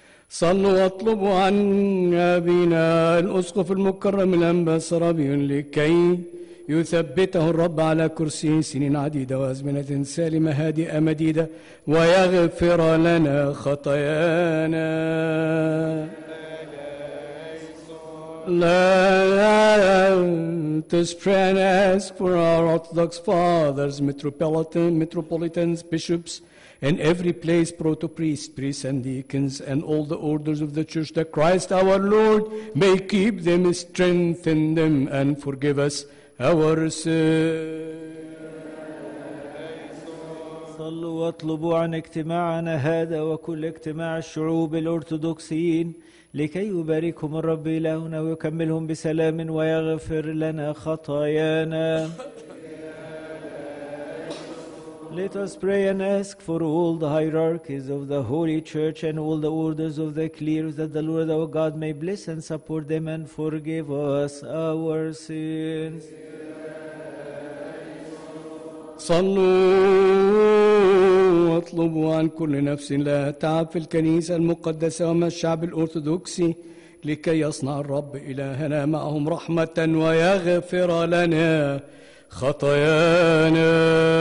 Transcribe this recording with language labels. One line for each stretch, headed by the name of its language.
Arabic: صلوا واطلبوا عن أبينا الأسقف المكرم الأنبا سرابي لكي يثبته الرب على كرسي سنين عديدة وأزمنة سالمة هادئة مديدة ويغفر لنا خطايانا.
English: Let us pray and ask for our Orthodox fathers, metropolitans, bishops, and every place, proto-priests, priests and deacons, and all the orders of the church, that Christ our Lord may keep them, strengthen them, and forgive us our sins.
Arabic: صلوا واطلبوا عن اجتماعنا هذا وكل اجتماع الشعوب الأرثوذكسيين لكي يباركهم الرب إلهنا ويكملهم بسلام ويغفر لنا خطايانا.
English: Let us pray and ask for all the hierarchies of the Holy Church and all the orders of the clergy, that the Lord our God may bless and support them and forgive us our sins.
Arabic: صلوا واطلبوا عن كل نفس لا تعب في الكنيسة المقدسة وما الشعب الأرثوذكسي لكي يصنع الرب إلهنا معهم رحمة ويغفر لنا خطايانا.